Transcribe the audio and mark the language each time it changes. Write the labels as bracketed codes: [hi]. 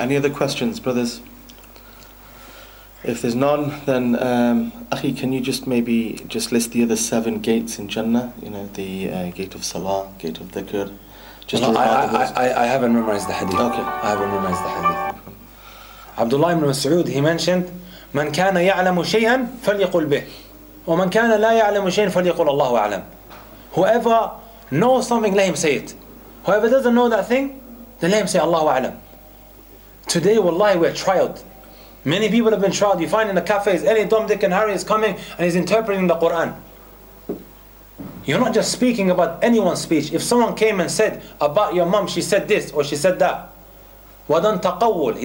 [en] Any other questions, brothers? If there's none, then Akhi, can you just maybe just list the other 7 gates in Jannah? You know, the gate of Salah, gate of Dhikr, just well, to remind us. I haven't memorized the hadith. Okay. I haven't memorized the hadith. [ar] Abdullah ibn Mas'ud, [en] he mentioned, [ar] من كان يعلم شيئا فليقل به ومن كان لا يعلم شيئا فليقل الله أعلم. [en] Whoever knows something, let him say it. Whoever doesn't know that thing, then let him say Allahu A'lam. Today, wallahi, we're trialed. Many people have been trialed. You find in the cafes, any Dom, Dick and Harry is coming and he's interpreting the Quran. You're not just speaking about anyone's speech. If someone came and said about your mom, she said this or she said that. Wadan taqawwul.